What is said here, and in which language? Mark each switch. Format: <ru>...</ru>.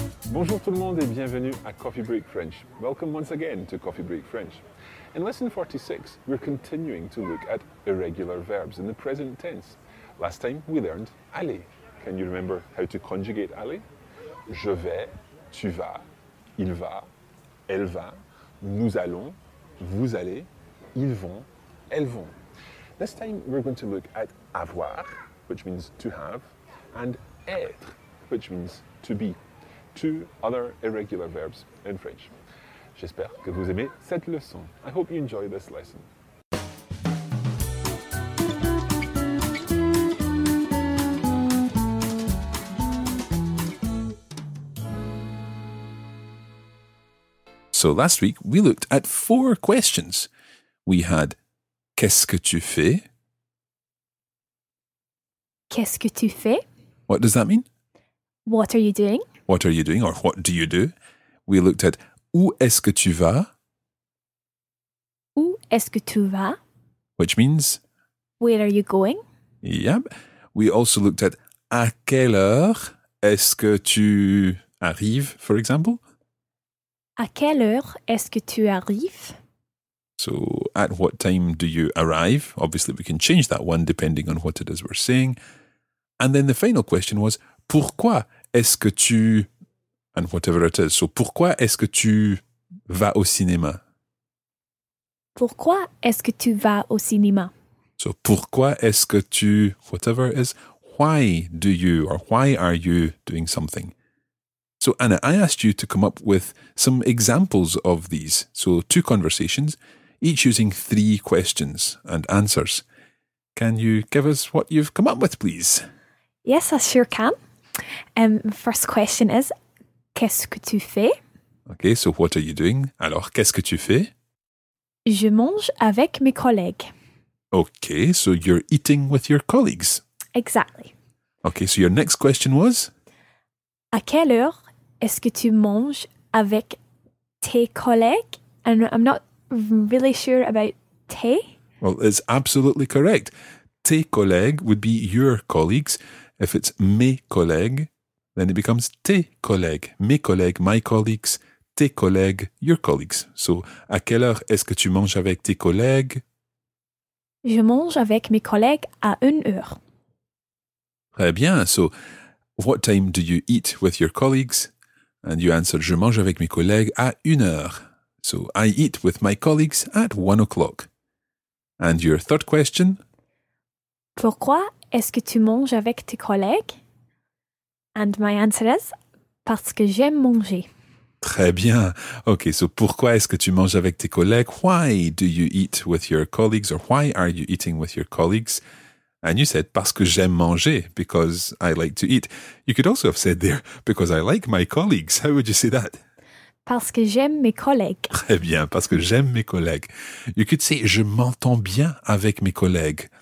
<fr>Bonjour tout le monde et bienvenue à Coffee Break French.</fr> <en>Welcome once again to Coffee Break French. In lesson 46, we're continuing to look at irregular verbs in the present tense. Last time we learned aller. Can you remember how to conjugate aller?</en> <fr>Je vais, tu vas, il va, elle va, nous allons, vous allez, ils vont, elles vont.</fr> <en>This time we're going to look at avoir, which means to have, and être, which means to be. Two other irregular verbs in French.</en> <fr>J'espère que vous aimez cette leçon.</fr> <en>I hope you enjoy this lesson. So last week, we looked at four questions. We had,</en> <fr>qu'est-ce que tu fais? Qu'est-ce que tu fais?</fr> <en>What does that mean? What are you doing? What are you doing or what do you do? We looked at</en> <fr>où est-ce que tu vas? Où est-ce que tu vas?</fr> <en>Which means? Where are you going? Yep. We also looked at</en> <fr>à quelle heure est-ce que tu arrives,</fr> <en>for example?</en> <fr>À quelle heure est-ce que tu arrives?</fr> <en>So, at what time do you arrive? Obviously, we can change that one depending on what it is we're saying. And then the final question was</en> <fr>pourquoi est-ce que tu,</fr> <en>and whatever it is, so</en> <fr>pourquoi est-ce que tu vas au cinéma? Pourquoi est-ce que tu vas au cinéma?</fr> <en>So</en> <fr>pourquoi est-ce que tu,</fr> <en>whatever it is, why do you or why are you doing something? So Anna, I asked you to come up with some examples of these. So two conversations, each using three questions and answers. Can you give us what you've come up with, please? Yes, I sure can. First question is,</en> <fr>qu'est-ce que tu fais?</fr> <en>Okay, so what are you doing?</en> <fr>Alors, qu'est-ce que tu fais? Je mange avec mes collègues.</fr> <en>Okay, so you're eating with your colleagues. Exactly. Okay, so your next question was?</en> <fr>À quelle heure est-ce que tu manges avec tes collègues?</fr> <en>And I'm not really sure about tes. Well, it's absolutely correct.</en> <fr>Tes collègues</fr> <en>would be your colleagues. If it's</en> <fr>mes collègues,</fr> <en>then it becomes</en> <fr>tes collègues. Mes collègues,</fr> <en>my colleagues,</en> <fr>tes collègues,</fr> <en>your colleagues. So,</en> <fr>à quelle heure est-ce que tu manges avec tes collègues? Je mange avec mes collègues à 1 heure. Très bien.</fr> <en>So, what time do you eat with your colleagues? And you answered,</en> <fr>je mange avec mes collègues à 1 heure.</fr> <en>So, I eat with my colleagues at 1 o'clock. And your third question?</en> <fr>Pourquoi est-ce que tu manges avec tes collègues?</fr> <en>And my answer is,</en> <fr>parce que j'aime manger. Très bien.</fr> <en>Okay, so</en> <fr>pourquoi est-ce que tu manges avec tes collègues?</fr> <en>Why do you eat with your colleagues? Or why are you eating with your colleagues? And you said,</en> <fr>parce que j'aime manger,</fr> <en>because I like to eat. You could also have said there, because I like my colleagues. How would you say that?</en> <fr>Parce que j'aime mes collègues. Très bien, parce que j'aime mes collègues.</fr> <en>You could say,</en> <fr>je m'entends bien avec mes collègues.</fr>